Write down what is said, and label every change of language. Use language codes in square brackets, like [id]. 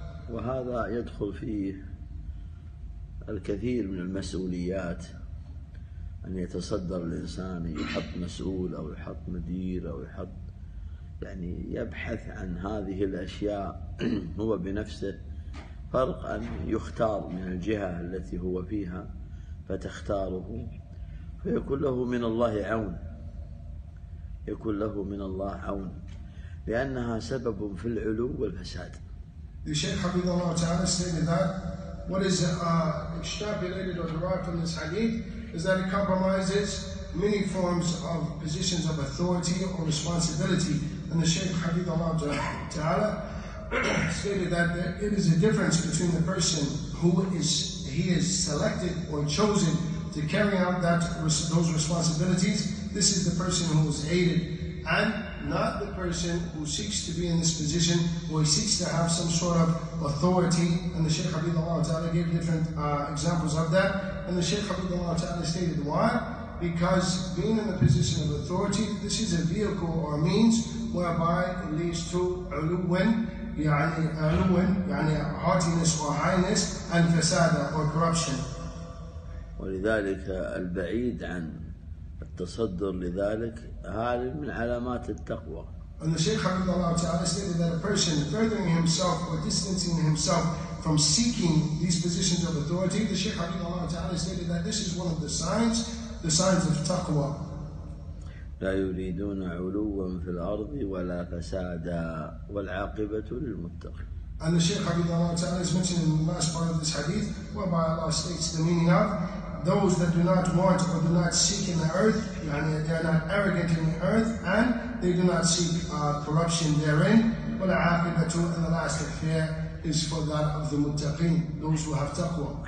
[ar] وهذا يدخل فيه الكثير من المسؤوليات أن يتصدر الإنسان يحط مسؤول أو يحط مدير أو يحط يعني يبحث عن هذه الأشياء هو بنفسه فرق أن يختار من الجهة التي هو فيها فتختاره فيكون له من الله عون يكون له من الله عون لأنها سبب في العلو والفساد. [en] The Shaykh [ar] حفظه الله تعالى [en] stated that what is extrapolated or derived from this hadith is that it compromises many forms of positions of authority or responsibility. And the Shaykh [ar] حفظه الله تعالى [en] stated that it is a difference between the person who is he is selected or chosen to carry out that those responsibilities. This is the person who is aided, and not the person who seeks to be in this position or seeks to have some sort of authority. And the Shaykh Habibullah Ta'ala gave different examples of that. And the Shaykh Habibullah Ta'ala stated why? Because being in the position of authority, this is a vehicle or a means whereby it leads to uluwin, [ar] يعني [en] haughtiness or highness, and fasada or corruption. [ar] ولذلك البعيد عن التصدر لذلك هذه من علامات التقوى. [en] And the Shaykh [ar] حفظه الله تعالى [en] stated that a person furthering himself or distancing himself from seeking these positions of authority, the Shaykh حفظه الله تعالى stated that this is one of the signs of taqwa. [ar] لا يريدون علوا في الأرض ولا فسادا والعاقبة للمتقين. [en] And the Shaykh [ar] حفظه الله تعالى [en] is mentioned in the last part of this hadith whereby Allah states the meaning of those that do not want or do not seek in the earth, [ar] يعني [en] they are not arrogant in the earth, and they do not seek corruption therein. [ar] ولا عاقبة [en] and the last affair is for that of the muttaqin, those who have taqwa.